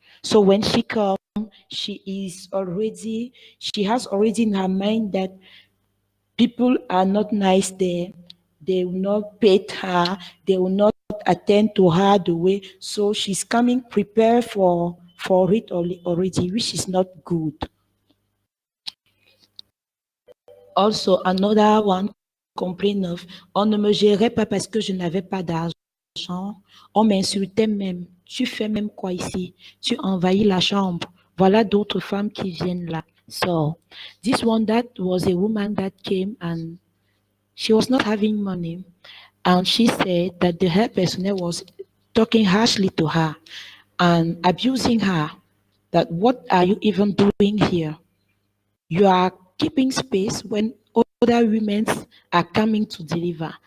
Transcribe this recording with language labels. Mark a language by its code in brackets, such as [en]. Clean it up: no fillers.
[en] So when she comes, she has already in her mind that people are not nice there, they will not pay her, they will not attend to her the way, so she's coming prepared for it already, which is not good. Also, another one complained of, [fr] on ne me gérait pas parce que je n'avais pas d'argent, on m'insultait même, tu fais même quoi ici, tu envahis la chambre. Voilà d'autres femmes qui viennent là. [en] So, this one that was a woman that came and she was not having money. And she said that the health personnel was talking harshly to her and abusing her. That what are you even doing here? You are keeping space when other women are coming to deliver.